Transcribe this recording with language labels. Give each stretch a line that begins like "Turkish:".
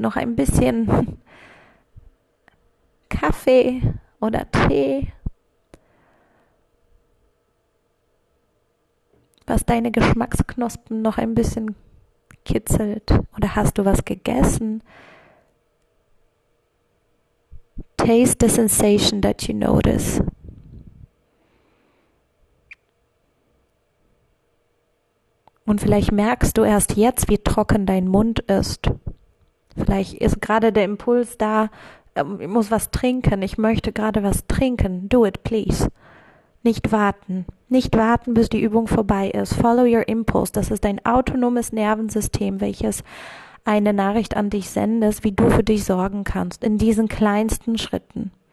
German: Noch ein bisschen Kaffee oder Tee. Was deine Geschmacksknospen noch ein bisschen kitzelt. Oder hast du was gegessen?
English: Taste the sensation that you notice.
German: Und vielleicht merkst du erst jetzt, wie trocken dein Mund ist. Vielleicht ist gerade der Impuls da, Ich muss was trinken. Ich möchte gerade was trinken.
English: Do it, please.
German: Nicht warten. Nicht warten, bis die Übung vorbei ist.
English: Follow your impulse.
German: Das ist dein autonomes Nervensystem, welches eine Nachricht an dich sendet, wie du für dich sorgen kannst, in diesen kleinsten Schritten.